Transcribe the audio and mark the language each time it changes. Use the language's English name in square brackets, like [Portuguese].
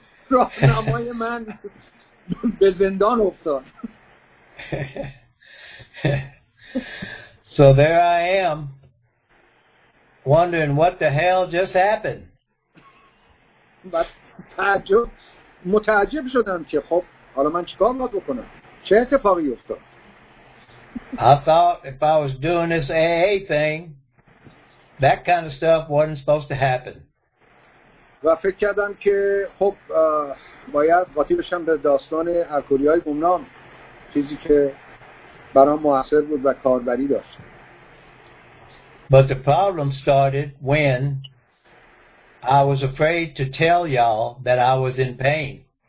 [Persian] راهنمای من به زندان افتاد. [English] So there I am wondering what the hell just happened. [Persian] But تعجب متعجب شدم که خب حالا من چیکار باید بکنم؟ چه اتفاقی افتاد؟ [English] I thought if I was doing this AA thing, that kind of stuff wasn't supposed to happen. [Persian] و فکر کردم که خب باید قاطی بشم به داستان الکلی‌های گمنام، چیزی که برام موثر بود و کاربری داشت. [English] But the problem started when I was afraid to tell y'all that I was in pain.